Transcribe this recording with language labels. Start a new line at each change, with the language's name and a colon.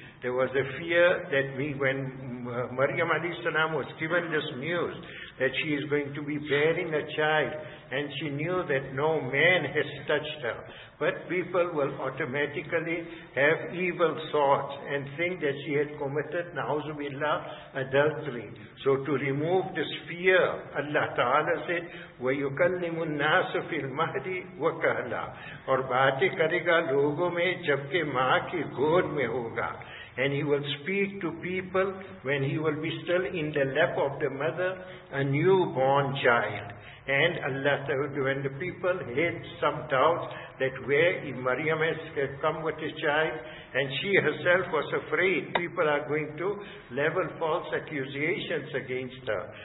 English: There was a fear that when Maryam alayhi salam was given this news that she is going to be bearing a child, and she knew that no man has touched her. But people will automatically have evil thoughts and think that she had committed, na'uzu billah, adultery. So to remove this fear, Allah Ta'ala said,
Arabic: وَيُكَلِّمُ النَّاسُ فِي الْمَهْدِ وَكَهْلًا
Urdu: اور باتیں کرے گا لوگوں میں جبکہ ماں کی گود میں ہوگا.
English: And he will speak to people when he will be still in the lap of the mother, a newborn child. And Allah Ta'ala, when the people had some doubts that where if Maryam has come with his child, and she herself was afraid people are going to level false accusations against her.